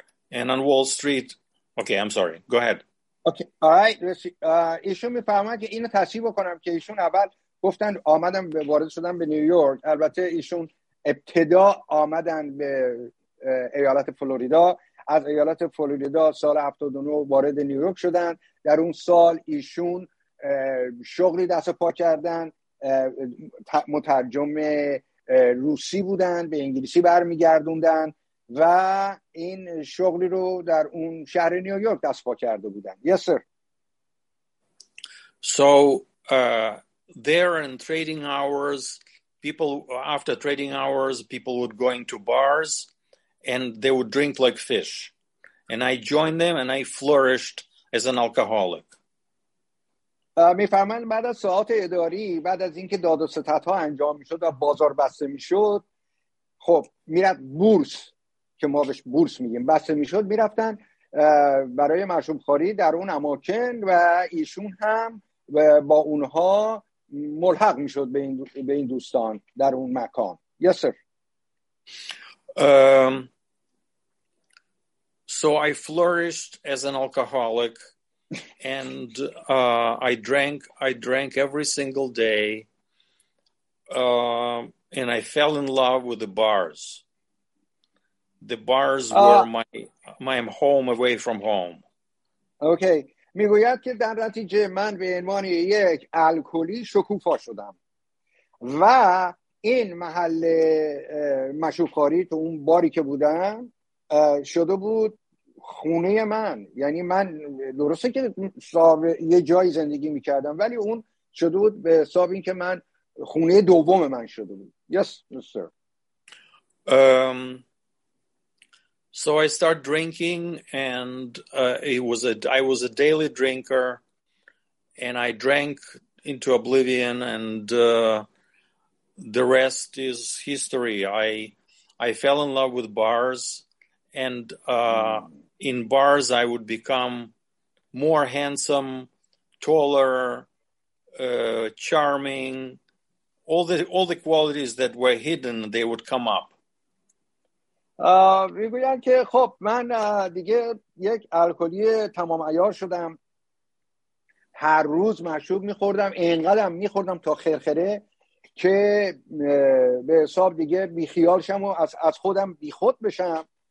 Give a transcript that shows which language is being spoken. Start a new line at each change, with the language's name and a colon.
English: And on Wall Street, okay, I'm sorry, go ahead. Okay okay.
Persian: آی ایشون میفهمن که اینو تصحیح بکنم که ایشون اول گفتن آمدن وارد شدن به نیویورک. البته ایشون ابتدا آمدن به ایالت فلوریدا، از ایالت فلوریدا سال 79 وارد نیویورک شدن. در اون سال ایشون شغلی دست پا کردن، مترجم روسی بودن، به انگلیسی برمیگردوندن و این شغلی رو در اون شهر نیویورک دست پا کرده بودن.
English: Yes, sir. So there in trading hours, people after trading hours, people would go into bars and they would drink like fish. And I joined them and I flourished as an alcoholic.
Persian: می‌فهمن بعد از ساعات اداری، بعد از اینکه داد و ستدها انجام می‌شد و بازار بسته می‌شد، خب میرفت بورس که ما بهش بورس میگیم بسته میشد، میرفتن برای مشروب خوری در اون اماکن و ایشون هم با اونها ملحق میشد به این دوستان در اون مکان.
English: Yes, sir. So I flourished as an alcoholic and I drank every single day and I fell in love with the bars. The bars were my home away from home. Okay.
Persian: میگوید که در نتیجه من به عنوان یک الکلی شکوفا شدم و این محل مشروبخوری تو اون باری که بودم شده بود خونه من. یعنی من درسته که یه جای زندگی میکردم ولی اون شده بود به حساب این که من خونه دوم من شده بود.
English: Yes, sir. So I start drinking and I was a daily drinker and I drank into oblivion and the rest is history. I fell in love with bars and in bars I would become more handsome, taller, charming, all the qualities that were hidden, they would come up.
Persian: میگویند که خب من دیگه یک الکلی تمام عیار شدم، هر روز مشروب میخوردم، اینقدرم میخوردم تا خرخره که به حساب دیگه بیخیال شم و از خودم بیخود بشم.